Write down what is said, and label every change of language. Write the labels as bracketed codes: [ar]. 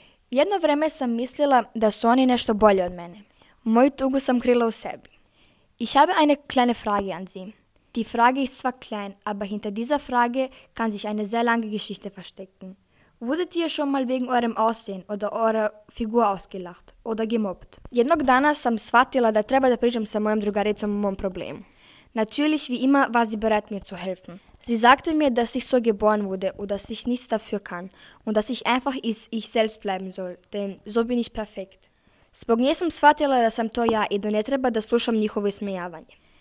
[sr] Jedno vreme sam mislila da su oni nešto bolje od mene. Moju tugu sam krila u sebi. [de] Ich habe eine kleine Frage an Sie. Die Frage ist zwar klein, aber hinter dieser Frage kann sich eine sehr lange Geschichte verstecken. Wurdet ihr schon mal wegen eurem Aussehen oder eurer Figur ausgelacht oder gemobbt? [sr] Jednog dana sam shvatila da treba da pričam sa mojom drugaricom o mom problemu. [de] Natürlich, wie immer, war sie bereit, mir zu helfen. Sie sagte mir, dass ich so geboren wurde und dass ich nichts dafür kann und dass ich einfach ich selbst bleiben soll, denn so bin ich perfekt. [sr] Zbog nje sam shvatila da sam to ja i da ne treba da slušam njihovo ismejavanje.